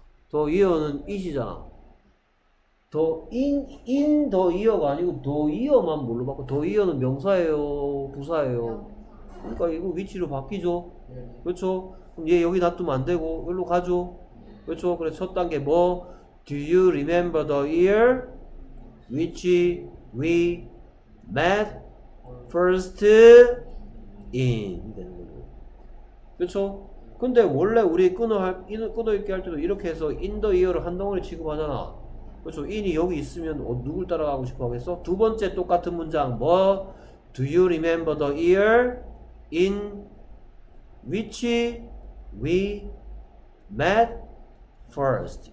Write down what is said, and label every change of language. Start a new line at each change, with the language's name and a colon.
Korean: 더 이어는 it이잖아. 더 in 더 이어가 아니고 더 이어만 뭘로 바꿔? 더 이어는 명사예요, 부사예요. 그러니까 이거 위치로 바뀌죠. 그렇죠? 그럼 얘 여기 놔두면 안 되고 여기로 가죠. 그렇죠? 그래서 첫 단계 뭐?
English: Do you remember the year which we met first in?
Korean: 그렇죠? 근데 원래 우리 끊어 읽기 할 때도 이렇게 해서
English: in the year
Korean: 를 한 덩어리 취급하잖아. 그렇죠. 인이 여기 있으면 누굴 따라가고 싶어 하겠어? 두 번째 똑같은 문장 뭐?
English: Do you remember the year in which we met first?